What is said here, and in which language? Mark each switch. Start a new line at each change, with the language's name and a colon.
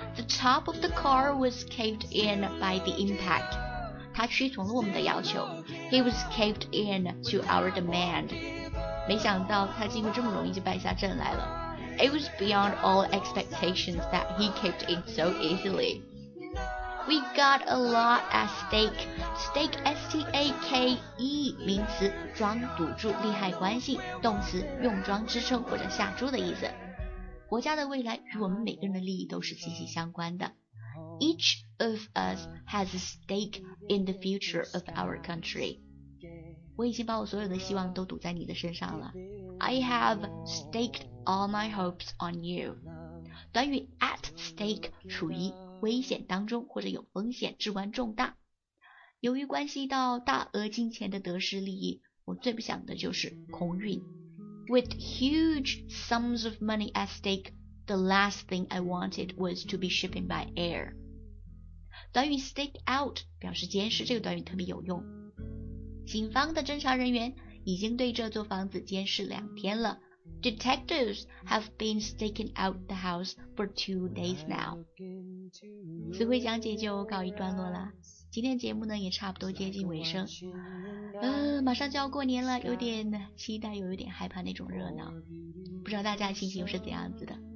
English: The top of the car was caved in by the impact.
Chinese: 他屈从了我们的要求。
English: He was caved in to our demand.
Chinese: 没想到他竟会这么容易就败下阵来了。
English: It was beyond all expectations that he caved in so easily. We got a lot at stake. Stake, S-T-A-K-E,
Chinese: 名词桩堵住利害关系，动词用桩支撑或者下注的意思。国家的未来与我们每个人的利益都是息息相关的。
English: Each of us has a stake in the future of our country.
Chinese: 我已经把我所有的希望都堵在你的身上了。
English: I have staked all my hopes on you。
Chinese: 短语 at stake 处于危险当中或者有风险至关重大，由于关系到大额金钱的得失利益，我最不想的就是空运。
English: With huge sums of money at stake, the last thing I wanted was to be shipping by air。
Chinese: 短语 stake out 表示监视，这个短语特别有用。警方的侦查人员已经对这座房子监视两天了。
English: Detectives have been staking out the house for 2 days now.
Chinese: 词汇讲解就告一段落了，今天节目呢也差不多接近尾声，马上就要过年了，有点期待又有点害怕那种热闹，不知道大家心情又是怎样子的。